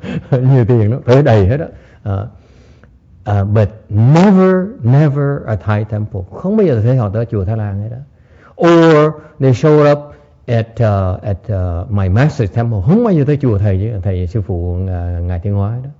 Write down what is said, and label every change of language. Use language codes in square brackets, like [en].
[vi] Nhiều tiền đó, tới đầy hết đó. [en] But never a Thai temple. [vi] Không bao giờ thấy họ tới chùa Thái Lan hết đó. [en] Or they show up at my master's temple. [vi] Không bao giờ tới chùa thầy chứ, thầy sư phụ ngài Tiên Hóa đó.